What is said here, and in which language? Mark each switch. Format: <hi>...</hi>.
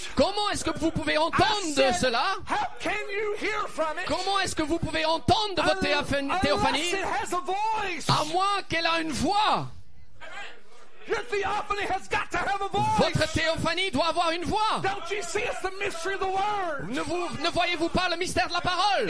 <fr>Comment est-ce que vous pouvez entendre</fr> <en>said,</en> <fr>cela?</fr> <en>How can you hear from it?</en> <fr>Comment est-ce que vous pouvez entendre votre théophanie?</fr> <en>Unless it has a voice.</en> <fr>À moins qu'elle a une voix.</fr> <en>Your theophany has got to have a voice.</en> <fr>Votre théophanie doit avoir une voix.</fr> <en>Don't you see it's the mystery of the word?</en> <fr>Ne voyez-vous pas le mystère de la parole?</fr>